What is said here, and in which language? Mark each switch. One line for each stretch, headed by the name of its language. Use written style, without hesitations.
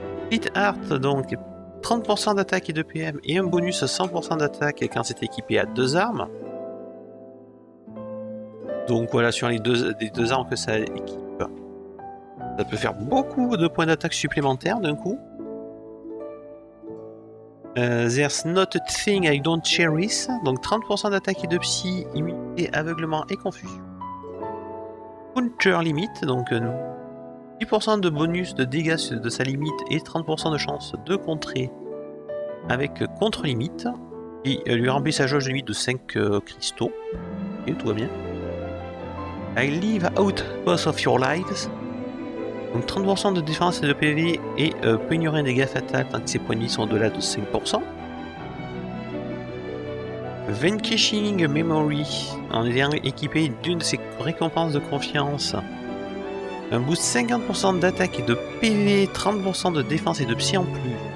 French: Pit Heart, donc 30% d'attaque et de PM et un bonus 100% d'attaque quand c'est équipé à deux armes. Donc voilà, sur les deux armes que ça équipe, ça peut faire beaucoup de points d'attaque supplémentaires d'un coup.
English: There's not a thing I don't cherish.
French: Donc 30% d'attaque et de psy, immunité, aveuglement et confusion. Counter limit, donc 10% de bonus de dégâts de sa limite et 30% de chance de contrer avec contre limite. Et lui remplit sa jauge de limite de 5 cristaux. Et tout va bien.
English: I leave out both of your lives.
French: Donc 30% de défense et de PV et peut ignorer un dégât fatal tant que ses points de vie sont au-delà de 5%. Vanquishing Memory, en étant équipé d'une de ses récompenses de confiance. Un boost 50% d'attaque et de PV, 30% de défense et de psy en plus.